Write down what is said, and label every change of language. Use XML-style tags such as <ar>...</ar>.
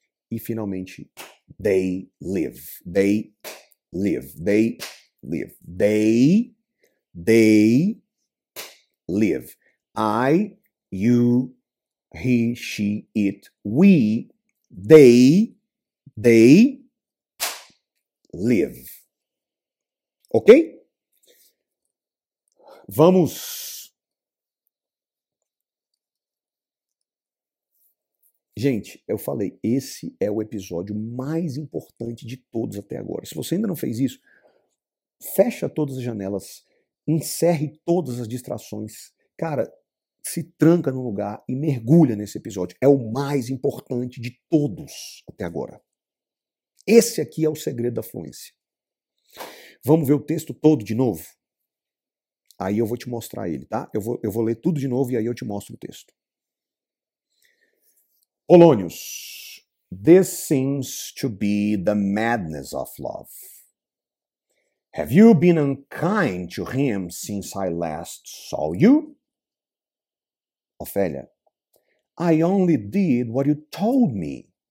<pt>E finalmente,</pt> <en>they live. I, you, he, she, it, we, they live. Ok?</en> <pt>Vamos Gente, eu falei, esse é o episódio mais importante de todos até agora. Se você ainda não fez isso, fecha todas as janelas, encerre todas as distrações. Cara, se tranca no lugar e mergulha nesse episódio. É o mais importante de todos até agora. Esse aqui é o segredo da fluência. Vamos ver o texto todo de novo? Aí eu vou te mostrar ele, tá? Eu vou ler tudo de novo e aí eu te mostro o texto.</pt> <en>Polonius, this seems to be the madness of love. Have you been unkind to him since I last saw you? Ophelia, I only did what you told me.</en>